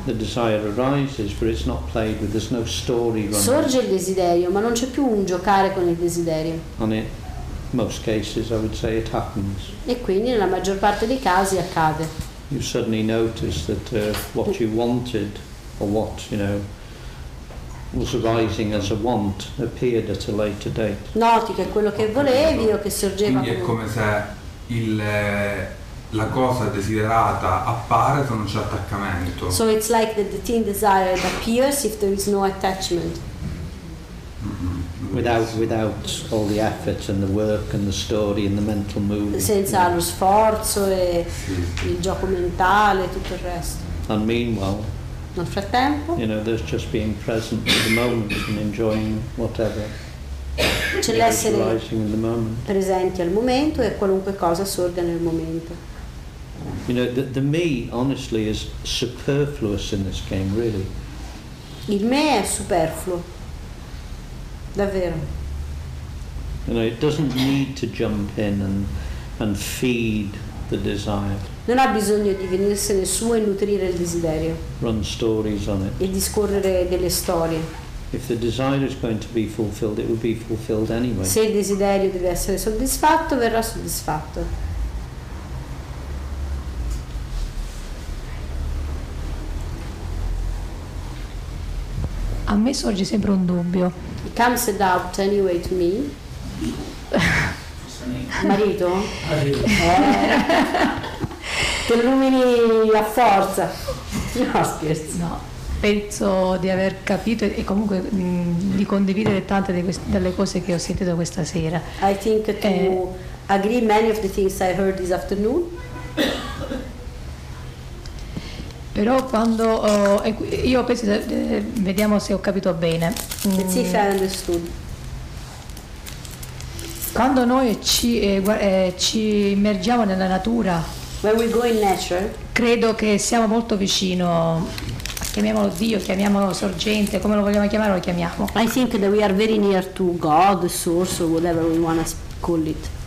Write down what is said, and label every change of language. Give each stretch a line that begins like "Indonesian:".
English: The desire arises, but it's not played with. There's no story running.
Italian: Sorge il desiderio, ma non c'è più un giocare con il desiderio.
English: And in most cases, I would say it happens.
Italian: E quindi nella maggior parte dei casi accade.
English: You suddenly notice that what you wanted, or what you know, was arising as a want, appeared at a later date.
Italian: Noti che quello che volevi o che sorgeva. Quindi è come se il la cosa desiderata appare se non c'è attaccamento.
English: So it's like that the thing desired appears if there is no attachment. Mm-hmm. Without all the effort and the work and the story and the mental movement.
Italian: Senza lo sforzo e il gioco mentale e tutto il resto.
English: And meanwhile.
Italian: Nel frattempo.
English: You know, there's just being present in the moment and enjoying whatever.
Italian: C'è l'essere presenti al momento e qualunque cosa sorga nel momento.
English: You know, the me honestly is superfluous in this game, really.
Italian: Il me è superfluo. Davvero.
English: You know, it doesn't need to jump in and feed the desire.
Italian: Non ha bisogno di venirsene su e nutrire il desiderio.
English: Run stories on it.
Italian: E discorrere delle storie.
English: If the desire is going to be fulfilled, it will be fulfilled anyway.
Italian: Se il desiderio deve essere soddisfatto, verrà soddisfatto. A me sorge sempre un dubbio.
English: It comes a doubt anyway to me.
Italian: Marito? Te illumini a forza. No, scherzo. No. penso di aver capito e comunque di condividere tante delle cose che ho sentito questa sera.
English: I think to agree many of the things I heard this afternoon.
Italian: Però quando io penso vediamo se ho capito bene.
English: Let's see if I understood.
Italian: Quando noi ci immergiamo nella natura,
English: when we go in nature,
Italian: credo che siamo molto vicino, chiamiamolo Dio, chiamiamolo sorgente, come lo vogliamo chiamare, lo chiamiamo.
English: I think that we are very near to God, source, or whatever we want to call it.